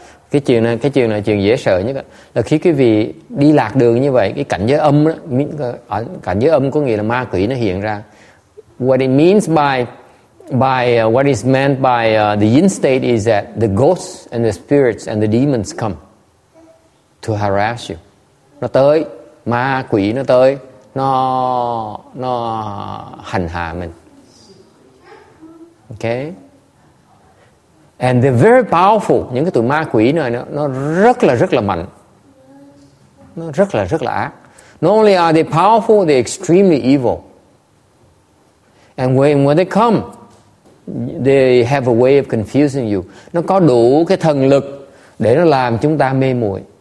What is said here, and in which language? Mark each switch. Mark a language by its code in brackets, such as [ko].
[vi] Cái chuyện này chuyện dễ sợ nhất đó. Là khi quý vị đi lạc đường như vậy, cái cảnh giới âm đó, cảnh giới âm có nghĩa là ma quỷ nó hiện ra. [en] What is meant by the yin state is that the ghosts and the spirits and the demons come to harass you. [vi] Nó tới, ma quỷ nó tới, nó hành hạ mình. Okay? [en] And they're very powerful. [vi] Những cái tụi ma quỷ này nó rất là mạnh. Nó rất là ác. [en] Not only are they powerful, they're extremely evil. And when they come, they have a way of confusing you. [vi] Nó có đủ cái thần lực để nó làm chúng ta mê muội.